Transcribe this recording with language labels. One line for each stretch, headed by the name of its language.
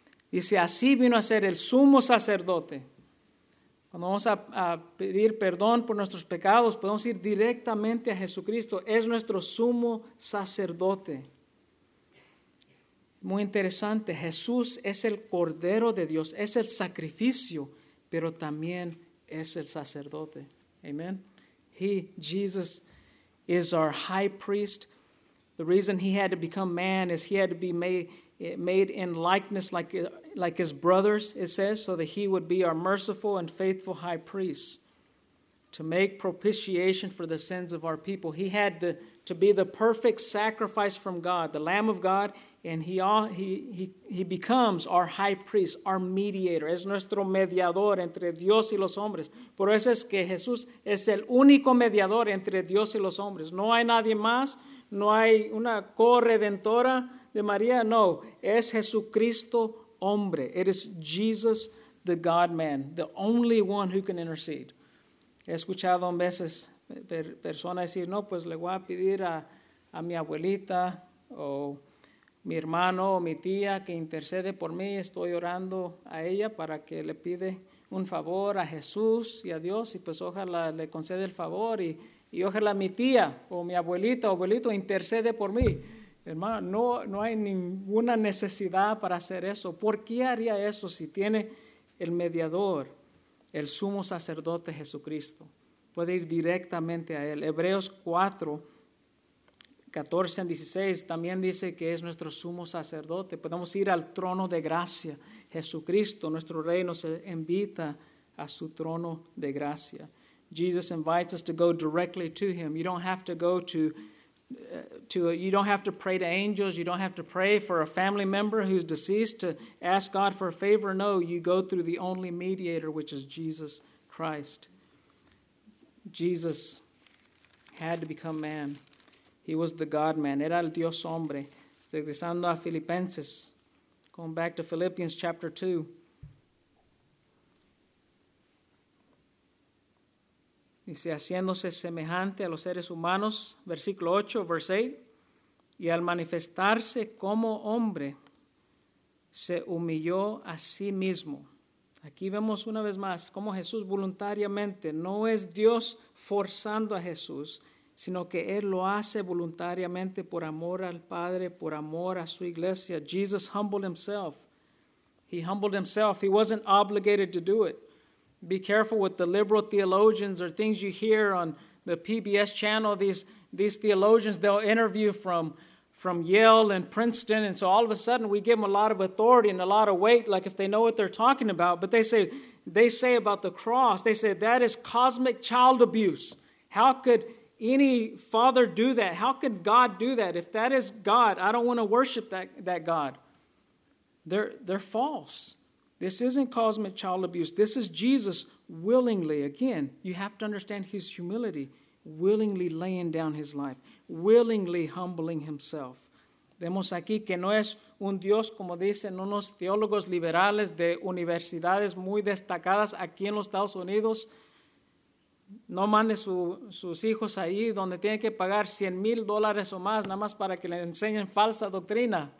Spanish: Dice, así vino a ser el sumo sacerdote. Cuando vamos a pedir perdón por nuestros pecados, podemos ir directamente a Jesucristo. Es nuestro sumo sacerdote. Muy interesante, Jesús es el Cordero de Dios, es el sacrificio, pero también es el sacerdote.
English: Amen. Jesus is our high priest. The reason he had to become man is he had to be made in likeness like his brothers, it says, so that he would be our merciful and faithful high priest to make propitiation for the sins of our people. He had to be the perfect sacrifice from God, the Lamb of God, and he becomes our high priest, our mediator.
Spanish: Es nuestro mediador entre Dios y los hombres. Por eso es que Jesús es el único mediador entre Dios y los hombres. No hay nadie más, no hay una corredentora de María, no, es Jesucristo hombre.
English: It is Jesus, the God-man, the only one who can intercede.
Spanish: He escuchado a veces personas decir, no, pues le voy a pedir a mi abuelita o mi hermano o mi tía que intercede por mí. Estoy orando a ella para que le pide un favor a Jesús y a Dios y pues ojalá le conceda el favor y ojalá mi tía o mi abuelita o abuelito intercede por mí. Hermano, no hay ninguna necesidad para hacer eso. ¿Por qué haría eso si tiene el mediador, el sumo sacerdote Jesucristo? Puede ir directamente a él. Hebreos 4:14-16 también dice que es nuestro sumo sacerdote. Podemos ir al trono de gracia. Jesucristo, nuestro rey, nos invita a su trono de gracia.
English: Jesus invites us to go directly to him. You don't have to go you don't have to pray to angels. You don't have to pray for a family member who's deceased to ask God for a favor. No, you go through the only mediator, which is Jesus Christ. Jesus had to become man. He was the God-man.
Spanish: Era el Dios hombre. Regresando a Filipenses,
English: going back to Philippians chapter 2.
Spanish: Dice, haciéndose semejante a los seres humanos, versículo 8,
English: verse 8,
Spanish: y al manifestarse como hombre, se humilló a sí mismo. Aquí vemos una vez más cómo Jesús voluntariamente, no es Dios forzando a Jesús, sino que Él lo hace voluntariamente por amor al Padre, por amor a su iglesia.
English: Jesus humbled himself. He humbled himself. He wasn't obligated to do it. Be careful with the liberal theologians or things you hear on the PBS channel. These theologians, they'll interview from Yale and Princeton. And so all of a sudden we give them a lot of authority and a lot of weight, like if they know what they're talking about. But they say about the cross, they say that is cosmic child abuse. How could any father do that? How could God do that? If that is God, I don't want to worship that God. They're false. This isn't cosmic child abuse. This is Jesus willingly, again, you have to understand his humility, willingly laying down his life, willingly humbling himself.
Spanish: Vemos aquí que no es un Dios, como dicen unos teólogos liberales de universidades muy destacadas aquí en los Estados Unidos. No mande sus hijos ahí donde tiene que pagar $100,000 o más nada más para que le enseñen falsa doctrina.